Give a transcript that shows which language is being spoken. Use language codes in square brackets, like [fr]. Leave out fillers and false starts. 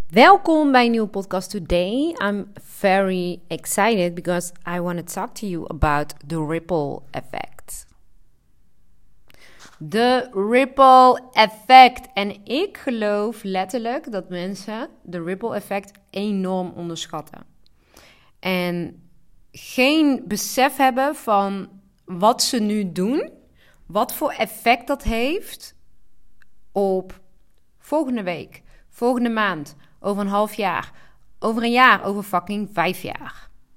[nl] Welkom bij een nieuwe podcast [en] today. I'm very excited because I want to talk to you about the ripple effect. The ripple effect. [nl] En ik geloof letterlijk dat mensen de ripple effect enorm onderschatten. En geen besef hebben van wat ze nu doen, wat voor effect dat heeft op volgende week, volgende maand, over een half jaar, over een jaar, over fucking 5 jaar.